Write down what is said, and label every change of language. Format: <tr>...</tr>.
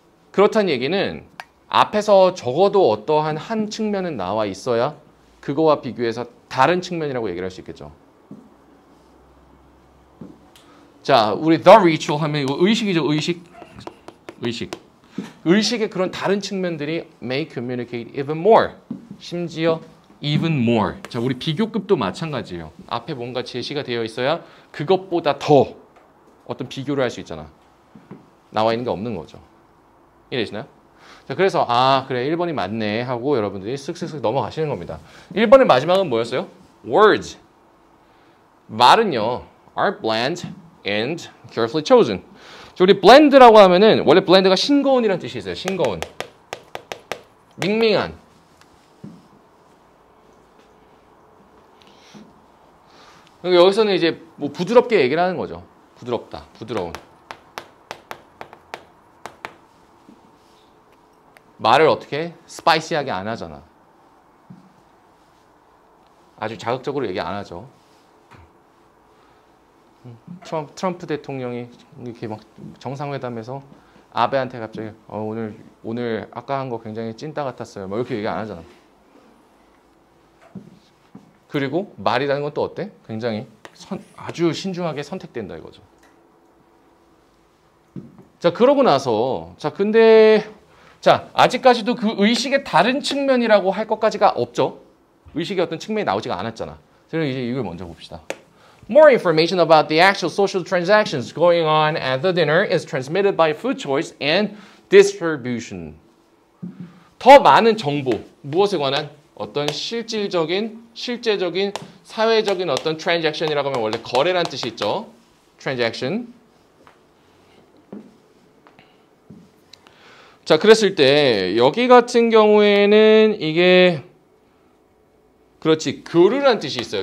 <ko>그렇다는 얘기는 앞에서 적어도 어떠한 한 측면은 나와 있어야 그거와 비교해서 다른 측면이라고 얘기를 할 수 있겠죠. 자, 우리 the ritual 하면 이거 의식이죠. 의식. 의식의 그런 다른 측면들이</ko> <en>may communicate even more.</en> <ko>심지어</ko> <en>even more.</en> <ko>자, 우리 비교급도 마찬가지예요. 앞에 뭔가 제시가 되어 있어야 그것보다 더 어떤 비교를 할 수 있잖아. 나와 있는 게 없는 거죠. 이해되시나요? 자, 그래서 아, 그래, 1번이 맞네 하고 여러분들이 슥슥슥 넘어가시는 겁니다. 1번의 마지막은 뭐였어요?</ko> <en>Words.</en> <ko>말은요,</ko> <en>are bland and carefully chosen.</en> <ko>우리 blend라고 하면은 원래 blend가 싱거운이라는 뜻이 있어요. 싱거운, 밍밍한. 그러니까 여기서는 이제 뭐 부드럽게 얘기를 하는 거죠. 부드럽다, 부드러운. 말을 어떻게 스파이시하게 안 하잖아. 아주 자극적으로 얘기 안 하죠. 트럼프 대통령이 이렇게 막 정상회담에서 아베한테 갑자기 오늘 아까 한 거 굉장히 찐따 같았어요. 뭐 이렇게 얘기 안 하잖아. 그리고 말이라는 건 또 어때? 굉장히 아주 신중하게 선택된다 이거죠. 자, 그러고 나서 자, 근데 자, 아직까지도 그 의식의 다른 측면이라고 할 것까지가 없죠. 의식의 어떤 측면이 나오지가 않았잖아. 그래서 이제 이걸 먼저 봅시다.</ko> <en>More information about the actual social transactions going on at the dinner is transmitted by food choice and distribution.</en> <ko>더 많은 정보, 무엇에 관한 어떤 실질적인, 실제적인, 사회적인 어떤 transaction이라고 하면 원래 거래란 뜻이 있죠.</ko> <en>Transaction.</en> <ko>자, 그랬을 때 여기 같은 경우에는 이게 그렇지, 교류란 뜻이 있어요.</ko>